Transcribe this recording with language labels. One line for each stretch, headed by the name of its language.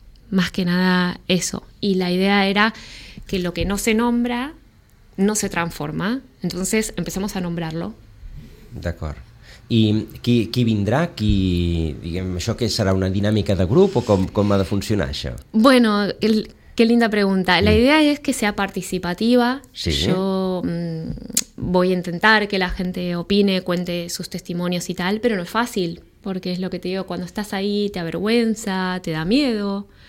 Spanish: Más que nada eso. Y la idea era que lo que no se nombra, no se transforma. Entonces empezamos a nombrarlo.
Catalan: D'acord. I qui vindrà? Qui, diguem, això que serà una dinàmica de grup o com ha de funcionar això?
Spanish: Bueno, qué linda pregunta. La idea es que sea participativa. Sí. Yo voy a intentar que la gente opine, cuente sus testimonios y tal, pero no es fácil, porque es lo que te digo, cuando estás ahí te avergüenza, te da miedo.